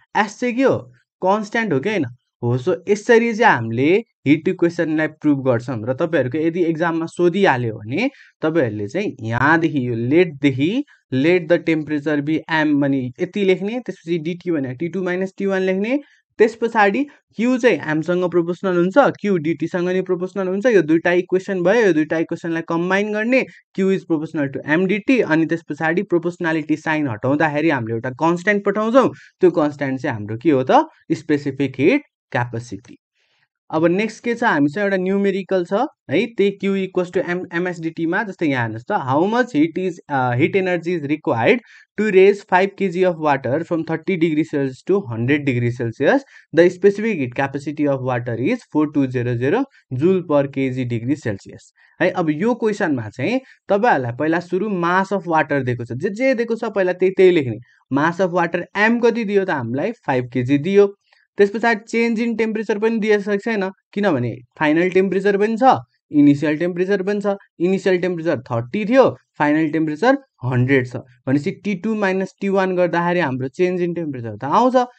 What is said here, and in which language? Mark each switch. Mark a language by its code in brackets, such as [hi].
[ne] S चाहिँ के हो, कन्स्ट्यान्ट हो कि होइन हो। सो यसरी चाहिँ हामीले हिट इक्वेसनलाई प्रुभ गर्छौँ। र तपाईँहरूको यदि एक्जाममा सोधिहाल्यो भने तपाईँहरूले चाहिँ यहाँदेखि यो लेटदेखि [en] let the temperature be M [ne] भने यति लेख्ने, त्यसपछि डिटी भने T two minus T one लेख्ने, त्यस पछाडि क्यू चाहिँ एमसँग प्रोपोर्सनल हुन्छ, क्यू डिटीसँग नै प्रोपोर्सनल हुन्छ, यो दुइटा इक्वेसन भयो, यो दुइटा इक्वेसनलाई कम्बाइन गर्ने, क्यू इज प्रोपोर्सनल टु एमडिटी, अनि त्यस पछाडि प्रोपोर्सनालिटी साइन हटाउँदाखेरि हामीले एउटा कन्स्ट्यान्ट पठाउँछौँ, त्यो कन्स्ट्यान्ट चाहिँ हाम्रो के हो त, स्पेसिफिक हिट क्यापेसिटी। अब नेक्स्ट के छ, हामीसँग एउटा न्युमेरिकल छ है, त्यही क्यू इक्वल्स टु एम एमएसडिटीमा। जस्तै यहाँ हेर्नुहोस् त, [en] How much heat is heat energy is required to raise 5 KG of water from 30 degree Celsius to 100 degree Celsius. The specific heat capacity of water is 4200 joule per KG degree Celsius है। [ne] अब यो क्वेसनमा चाहिँ तपाईँहरूलाई पहिला सुरु mass of water दिएको छ, जे जे दिएको छ पहिला त्यही त्यही लेख्ने। मास अफ वाटर एम कति दियो त हामीलाई, 5 केजी दियो। त्यस पछाडि चेन्ज इन टेम्परेचर पनि दिइसकेको छैन, किनभने फाइनल टेम्परेचर पनि छ, इनिसियल टेम्परेचर पनि छ, इनिसियल टेम्परेचर 30 थियो, फाइनल टेम्परेचर 100 छ, भनेपछि टी2 माइनस टी1 गर्दाखेरि हाम्रो चेन्ज इन टेम्परेचर त आउँछ।